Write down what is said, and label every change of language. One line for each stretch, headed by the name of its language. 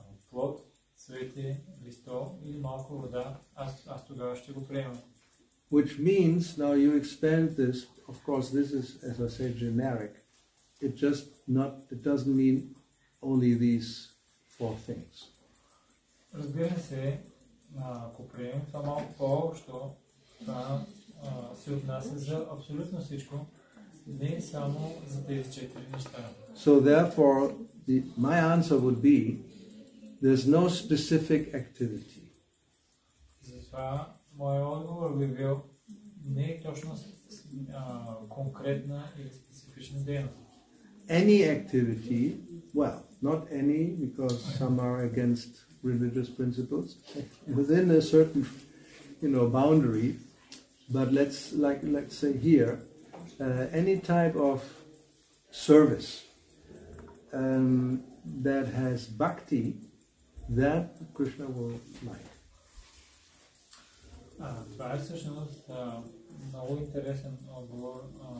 Bulgarian: Плод, цвете, листо или малко вода, аз тогава ще го приемам.
English: Which means, now you expand this, of course this is, as I say, generic. It just not, it doesn't mean only these four things.
Bulgarian: Разбира се, ако приемам това малко по-общо, това се отнася за абсолютно всичко, не само за тези четири неща.
English: So therefore, my answer would be, there's no specific activity.
Bulgarian: Затова моя отговор би бил не точно конкретна или специфична дейност.
English: Any activity, well, not any, because some are against religious principles, within a certain, you know, boundary, but let's say here, any type of service that has bhakti, that Krishna will like.
Bulgarian: Това е всъщност много интересен отговор.